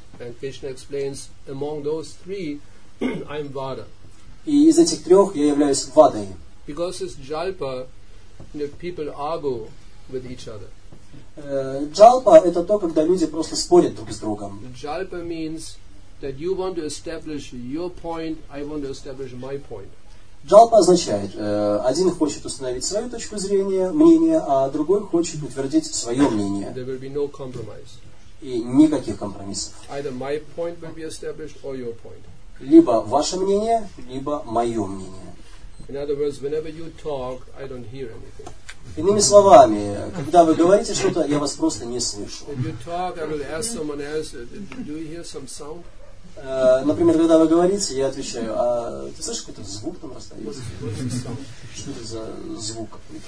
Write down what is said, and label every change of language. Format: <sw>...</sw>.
<en>And Krishna explains, among those three, I'm Vada.</en> <ru>И из этих трех я являюсь Вадой.</ru> <en>Because it's Jalpa, the people argue with each other.</en> <ru>Джалпа – это то, когда люди просто спорят друг с другом.</ru> <en>Jalpa means that you want to establish your point, I want to establish my point.</en> <ru>Джалпа означает, один хочет установить свою точку зрения, мнение, а другой хочет утвердить свое мнение.</ru> <en>There will be no compromise.</en> <ru>И никаких компромиссов.</ru> <en>Either my point will be established or your point.</en> <ru>Либо ваше мнение, либо мое мнение.</ru> <en>In other words, whenever you talk, I don't hear anything.</en> <ru>Иными словами, когда вы говорите что-то, я вас просто не слышу.</ru> <en>If you talk, I will ask someone else, do you hear some sound?</en> <ru>Например, когда вы говорите, я отвечаю, а ты слышишь, какой-то звук там раздается? Что это за звук?</ru>